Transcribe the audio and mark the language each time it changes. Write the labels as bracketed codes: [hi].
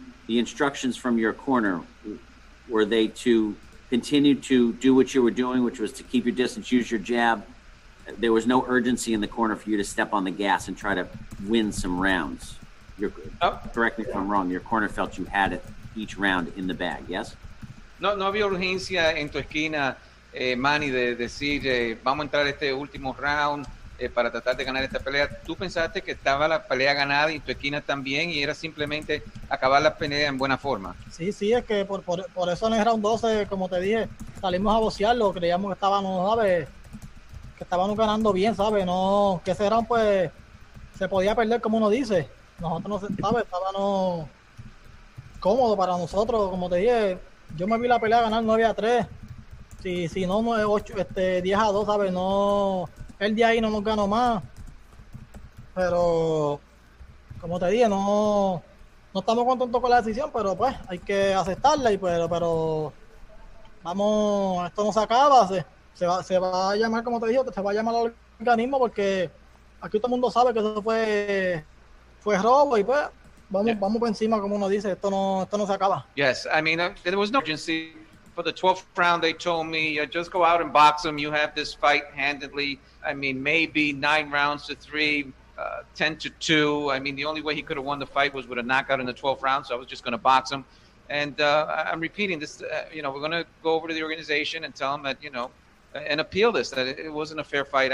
[en] The instructions from your corner, were they to continue to do what you were doing, which was to keep your distance, use your jab? There was no urgency in the corner for you to step on the gas and try to win some rounds. Correct me if I'm wrong. Your corner felt you had it each round in the bag, yes? [es] No había urgencia en tu esquina, Manny, de decir, vamos a entrar este último round para tratar de ganar esta pelea. Tú pensaste que estaba la pelea ganada y tu esquina también, y era simplemente acabar la pelea en buena forma. Sí, es que por eso en el round 12, como te dije, salimos a vocearlo, creíamos que estábamos, ¿sabes? Que estábamos ganando bien, ¿sabes? No, que ese round, pues, se podía perder, como uno dice. Nosotros no, ¿sabes? Estábamos cómodos para nosotros, como te dije. Yo me vi la pelea ganar 9-3. Si no, 10-2, ¿sabes? No, el día ahí no nos ganó más. Pero, como te dije, no estamos contentos con la decisión, pero, pues, hay que aceptarla. Y pero, vamos, esto no se acaba, ¿sabes? Se va a llamar, como te dije, se va a llamar al organismo porque aquí todo el mundo sabe que eso fue robo y pues vamos por encima, como uno dice, esto no se acaba. [en] Yes, I mean, there was no urgency. For the 12th round, they told me, just go out and box them. You have this fight handedly. I mean, maybe 9-3, 10-2. I mean, the only way he could have won the fight was with a knockout in the 12th round, so I was just going to box him. And I'm repeating this, you know, we're going to go over to the organization and tell them that, you know, and appeal this, that it wasn't a fair fight.